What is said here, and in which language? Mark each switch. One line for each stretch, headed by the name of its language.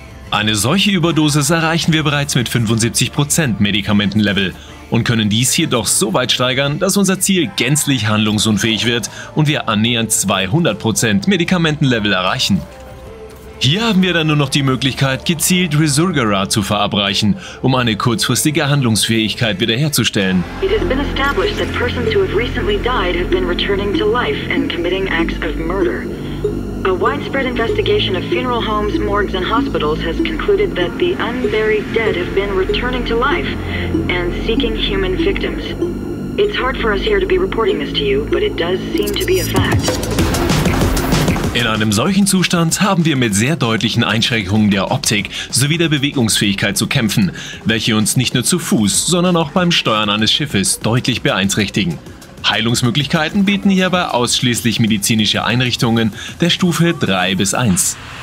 German: Eine solche Überdosis erreichen wir bereits mit 75% Medikamentenlevel und können dies jedoch so weit steigern, dass unser Ziel gänzlich handlungsunfähig wird und wir annähernd 200% Medikamentenlevel erreichen. Hier haben wir dann nur noch die Möglichkeit, gezielt Resulgera zu verabreichen, um eine kurzfristige Handlungsfähigkeit wiederherzustellen.
English: It has been established that persons who have recently died have been returning to life and committing acts of murder. A widespread investigation of funeral homes, morgues and hospitals has concluded that the unburied dead have been returning to life and seeking human victims. It's hard for us here to be reporting this to you, but it does seem to be a fact.
German: In einem solchen Zustand haben wir mit sehr deutlichen Einschränkungen der Optik sowie der Bewegungsfähigkeit zu kämpfen, welche uns nicht nur zu Fuß, sondern auch beim Steuern eines Schiffes deutlich beeinträchtigen. Heilungsmöglichkeiten bieten hierbei ausschließlich medizinische Einrichtungen der Stufe 3 bis 1.